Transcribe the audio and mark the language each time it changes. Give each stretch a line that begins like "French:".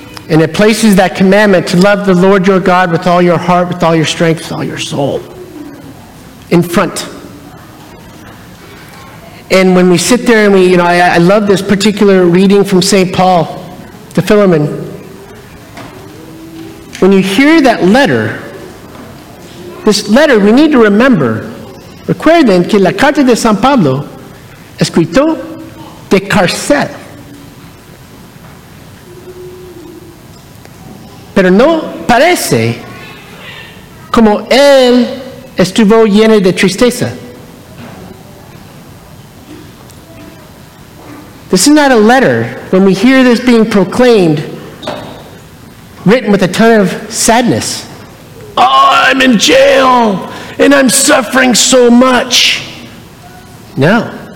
English: And it places that commandment to love the Lord your God with all your heart, with all your strength, with all your soul in front. And when we sit there and we, you know, I love this particular reading from St. Paul to Philemon. When you hear that letter, this letter, we need to remember.
Spanish: Recuerden que la carta de San Pablo, escrito de cárcel. Pero no parece como él estuvo lleno de tristeza.
English: This is not a letter, when we hear this being proclaimed, written with a ton of sadness. Oh, I'm in jail, and I'm suffering so much. No.